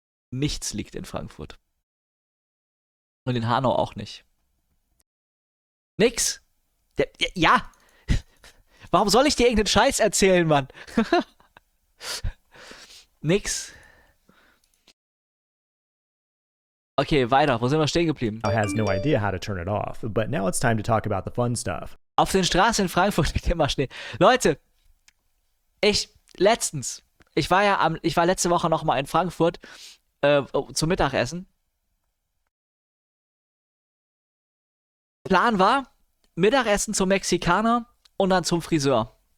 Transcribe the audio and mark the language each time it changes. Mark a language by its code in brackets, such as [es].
[de] Nichts liegt in Frankfurt. Und in Hanau auch nicht. Nix. Ja. Warum soll ich dir irgendeinen Scheiß erzählen, Mann? Nix. Okay, weiter. Wo sind wir stehen geblieben? [en] He has no idea how to turn it off, but now it's time to talk about the fun stuff. [de] Auf den Straßen in Frankfurt liegt immer Schnee. Leute, ich war letzte Woche noch mal in Frankfurt zum Mittagessen. Plan war Mittagessen zum Mexikaner und dann zum Friseur.